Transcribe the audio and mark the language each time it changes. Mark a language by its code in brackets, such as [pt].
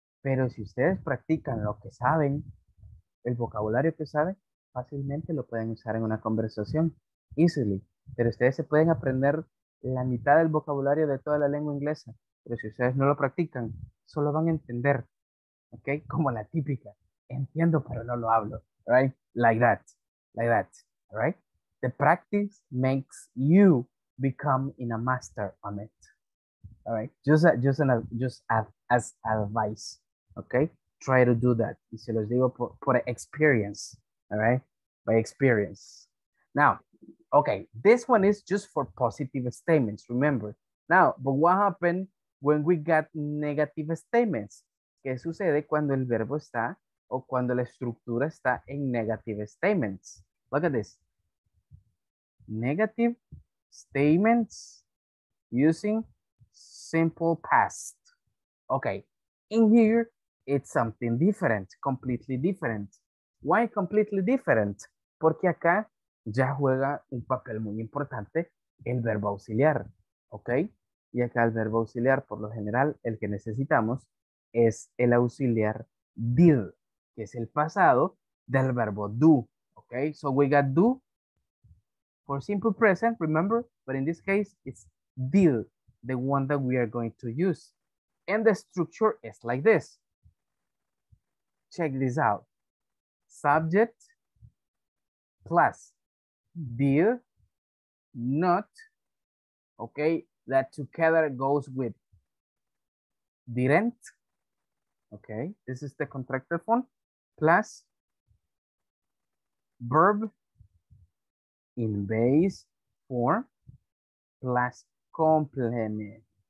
[es] Pero si ustedes practican lo que saben, el vocabulario que saben, fácilmente lo pueden usar en una conversación, easily. Pero ustedes se pueden aprender la mitad del vocabulario de toda la lengua inglesa. Pero si ustedes no lo practican, solo van a entender, ¿ok? Como la típica, entiendo pero no lo hablo, right? [en] Like that, right? The practice makes you become in a master on it, all right? Just as advice, ¿ok? Try to do that. [es] Y se los digo por experience, [en] all right? By experience. Now, okay, this one is just for positive statements, remember. Now, but what happened when we got negative statements? [es] ¿Qué sucede cuando el verbo está o cuando la estructura está en negative statements? [en] Look at this. Negative statements using simple past. Okay, in here, it's something different, completely different. Why completely different? [es] Porque acá ya juega un papel muy importante el verbo auxiliar, ¿ok? Y acá el verbo auxiliar, por lo general, el que necesitamos es el auxiliar did, que es el pasado del verbo do, ¿ok? [en] So we got do for simple present, remember, but in this case, it's did, the one that we are going to use. And the structure is like this. Check this out. Subject plus did not, okay, that together goes with didn't, okay, this is the contracted form, plus verb in base form plus complement.